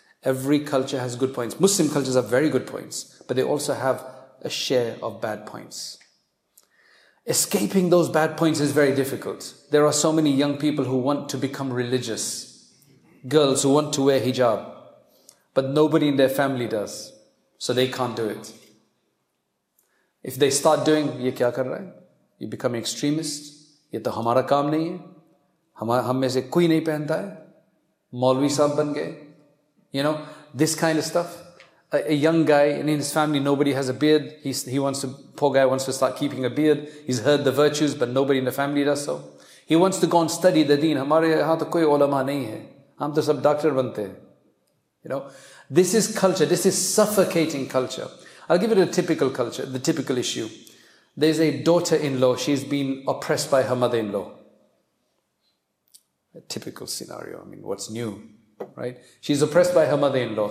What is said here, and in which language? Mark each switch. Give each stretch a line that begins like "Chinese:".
English: Every culture has good points. Muslim cultures have very good points, but they also have a share of bad points. Escaping those bad points is very difficult. There are so many young people who want to become religious. Girls who want to wear hijab. But nobody in their family does. So they can't do it. If they start doing,
Urdu: یہ کیا کر رہے؟
English: You become extremist.
Urdu: یہ تو ہمارا کام نہیں ہے۔ ہممے سے کوئی نہیں پہنتا ہے۔ مولوی صاحب بن گئے۔
English: You know, this kind of stuff. A young guy, and in his family, nobody has a beard. Poor guy wants to start keeping a beard. He's heard the virtues, but nobody in the family does so. He wants to go and study the deen.
Urdu: ہمارے یہاں تو کوئی علما نہیں ہے۔ ہم تو سب doctor بنتے ہے۔
English: You know, this is culture. This is suffocating culture. I'll give it a typical culture, the typical issue. There's a daughter-in-law. She's been oppressed by her mother-in-law. A typical scenario. I mean, what's new, right? She's oppressed by her mother-in-law.